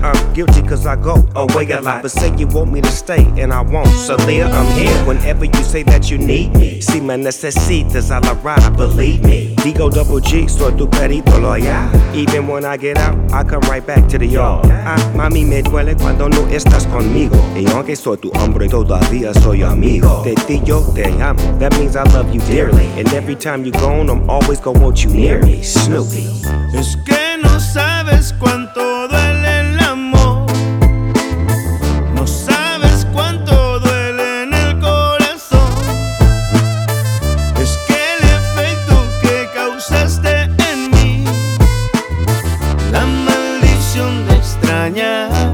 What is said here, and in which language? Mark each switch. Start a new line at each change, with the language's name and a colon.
English: I'm guilty cause I go away a lot. But say you want me to stay, and I won't. So there, I'm here. Whenever you say that you need me,
Spanish: si me necesitas,
English: I'll arrive. Believe me. Digo double G,
Spanish: soy tu perito
English: loyal. Even when I get out, I come right back to the yard.
Spanish: Mami, me duele cuando no estás conmigo. Y aunque soy tu hombre, todavía soy amigo. De ti yo te amo.
English: That means I love you dearly. And every time you gone, I'm always gonna want you near me. Snoopy.
Spanish: Es que no sabes cuánto duele el amor. No sabes cuánto duele en el corazón. Es que el efecto que causaste en mí, la maldición de extrañar.